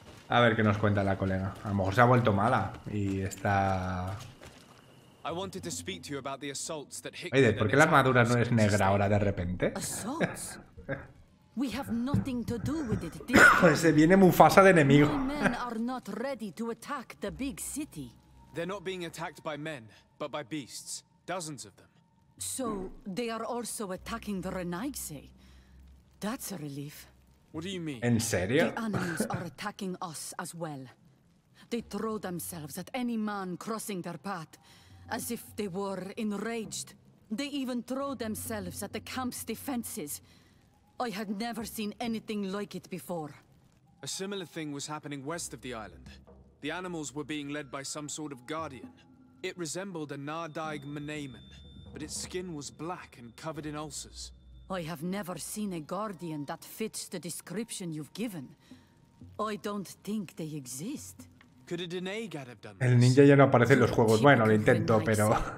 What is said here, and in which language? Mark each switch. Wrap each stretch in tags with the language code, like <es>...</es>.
<es>A ver qué nos cuenta la colega. A lo mejor se ha vuelto mala y está...</es> <en>I wanted to speak to you about the assaults that Hickman.</en> <es>Oye, ¿por qué la armadura no es negra ahora de repente?</es> <en>We have nothing to do with it.</en> <es>Se viene Mufasa de enemigo.</es> <en>Men are not ready to attack the big city. They're not being attacked by men, but by beasts, dozens of them. So they are also attacking the Renaixe. That's a relief. What do you mean?</en> <es>¿En serio?</es> <en>The animals are attacking us as well. They throw themselves at any man crossing their path. As if they were enraged. They even throw themselves at the camp's defenses. I had never seen anything like it before. A similar thing was happening west of the island. The animals were being led by some sort of guardian. It resembled a Nardaig Manaemon, but its skin was black and covered in ulcers. I have never seen a guardian that fits the description you've given. I don't think they exist.</en> <es>El ninja ya no aparece en los juegos. Bueno, lo intento, pero...</es>